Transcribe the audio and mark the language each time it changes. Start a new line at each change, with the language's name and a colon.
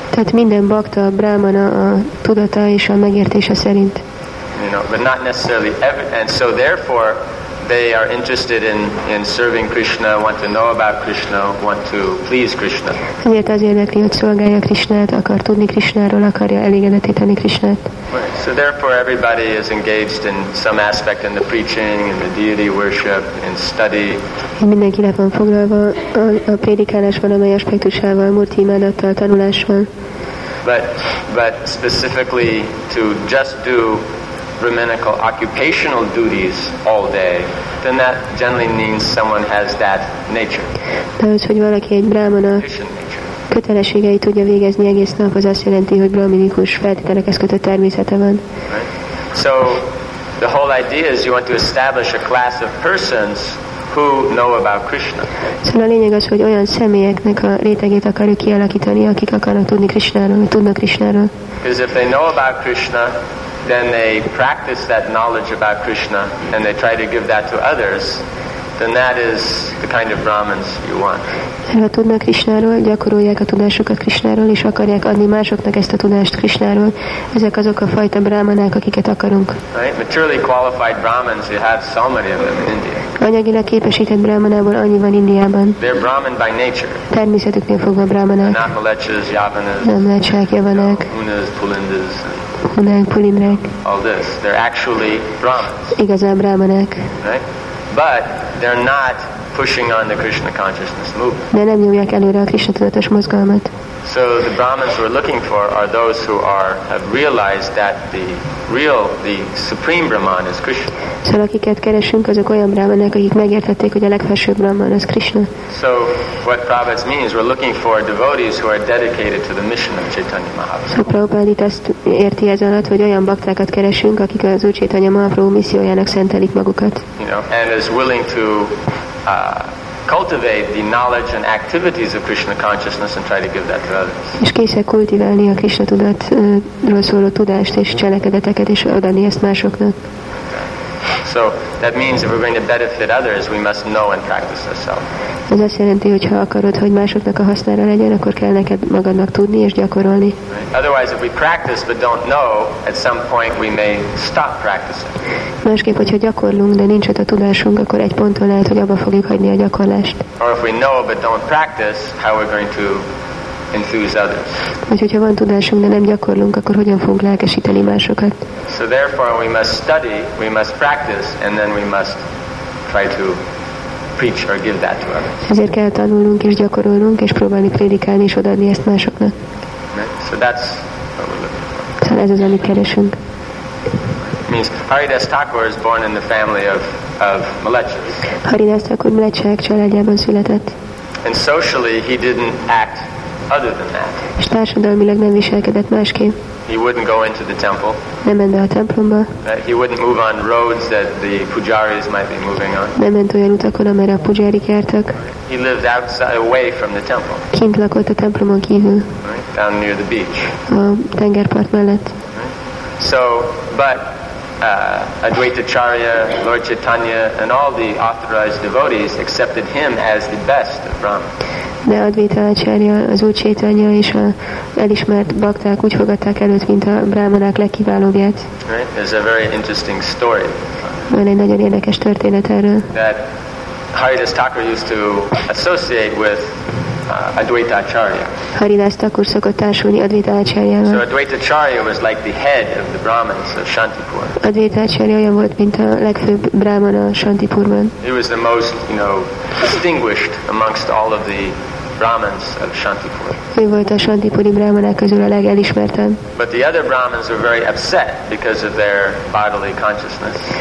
Hungarian: Tehát minden bhakta brahmana a tudata és a megértése szerint.
English: You know, but not necessarily every, and so therefore they are interested in serving Krishna, want to know about Krishna, want to please Krishna.
Hungarian: Ezért az érdekli, hogy szolgálja Krishnát, akar tudni Krishnáról, akarja elégedetíteni Krishnát.
English: So therefore everybody is engaged in some aspect in the preaching, in the deity worship, in study.
Hungarian: Mindenki le van foglalva a prédikálásban, amely aspektusával, murti imádattal, tanulással.
English: But specifically to just do brahminical occupational duties all day, then that generally means someone has that nature.
Hungarian: De az, hogy valaki egy brahmana kötelességeit tudja végezni egész nap, az azt jelenti, hogy brahminikus feltételekhez kötött természete van.
English: Right. So the whole idea is you want to establish a class of persons who know about Krishna.
Hungarian: Szóval a lényeg az, hogy olyan személyeknek a rétegét akarjuk kialakítani, akik akarnak tudni Krishnáról, hogy tudnak Krishnáról.
English: Because if they know about Krishna, then they practice that knowledge about Krishna and they try to give that to others, then that is the kind of brahmins you want.
Hungarian: Ha tudnak Krishnáról, gyakorolják a tudásukat Krishnáról, és akarják adni másoknak ezt a tudást Krishnáról, ezek azok a fajta brahmanák, akiket akarunk.
English: Right? Materially qualified brahmins, you have so many of them in India.
Hungarian: Anyagilag képesített brahmanából annyi van Indiában.
English: They're brahmin by nature.
Hungarian: Természetüknél fogva brahmanák.
English: Not malechas, javanas.
Hungarian: Nem lecsák, javanák.
English: Unas, pulindas.
Hungarian: Unák, pulindrák.
English: All this, they're actually brahmins.
Hungarian: Igazán brahmanák.
English: Right? But they're not pushing on the Krishna consciousness movement.
Hungarian: De nem nyomják előre a Krishna tudatos mozgalmat.
English: So the brahmins we're looking for are those who have realized that the supreme brahman is Krishna.
Hungarian: Szóval akiket keresünk, azok olyan brahmanek, akik megértették, hogy a legfelsőbb brahman az Krishna.
English: So what Prabhupada means, we're looking for devotees who are dedicated to the mission of Chaitanya Mahaprabhu.
Hungarian: Szóval Prabhupada itt azt érti ez alatt, hogy olyan baktákat keresünk, akik az Úr Chaitanya Mahaprabhu missziójának szentelik magukat.
English: You know, and is willing to cultivate the knowledge and activities of Krishna consciousness and try to give that to others.
Hungarian: És készek kultiválni a Krishna tudatról szóló tudást és cselekedeteket és adni ezt másoknak.
English: So that means if we're going to benefit others, we must know and practice ourselves.
Hungarian: Ez azt jelenti, hogy ha akarod, hogy másoknak a hasznára legyen, akkor kell neked magadnak tudni és gyakorolni.
English: Right. Otherwise, if we practice but don't know, at some point we may stop practicing.
Hungarian: Másképp, hogyha gyakorlunk, de nincs ott a tudásunk, akkor egy ponton lehet, hogy abba fogjuk hagyni a gyakorlást.
English: Or if we know but don't practice, how are we going to enthuse others?
Hungarian: Vagy hogyha van tudásunk, de nem gyakorlunk, akkor hogyan fogunk lelkesíteni másokat?
English: So therefore we must study, we must practice, and then we must try to preach or give that to others.
Hungarian: Ezért kell tanulnunk és gyakorolnunk és próbálni prédikálni és odaadni ezt másoknak.
English: So that's what we're looking for.
Hungarian: Szóval ez az, amit keresünk.
English: Means Haridas Thakur is born in the family of Malechas.
Hungarian: Haridas Thakur Malechák családjában született.
English: And socially he didn't act other than that.
Hungarian: És társadalmilag nem viselkedett másképp.
English: He wouldn't go into the temple.
Hungarian: Nem ment a templomba.
English: He wouldn't move on roads that the pujaris might be moving on.
Hungarian: Nem ment olyan utakon, amelyre a pujarik jártak.
English: He lived outside, away from the temple.
Hungarian: Kint lakott a templomon kívül.
English: Right? Down near the beach.
Hungarian: A tengerpart mellett.
English: Right? So, but Advaitacharya, Lord Chaitanya, and all the authorized devotees accepted him as the best of Brahmins.
Hungarian: De Advaita Acharya, az Úr Chaitanya és a elismert bakták úgy fogadták előtt, mint a brahmanák legkiválóbbját.
English: Right? There's a very interesting story.
Hungarian: Van egy nagyon érdekes történet erről.
English: That Haridas Thakur used to associate with Advaita Acharya.
Hungarian: Haridas Thakur szokott társulni Advaita Acharyával.
English: So Advaita Acharya was like the head of the Brahmins of Shantipur.
Hungarian: Advaita Acharya olyan volt, mint a legfőbb brahmana a Shantipurban.
English: He was the most, you know, distinguished amongst all of the Brahmins of Shantipur.
Hungarian: Ő volt a Shantipuri brahmanák közül a legelismertebb.
English: But the other Brahmins were very upset because of their bodily consciousness.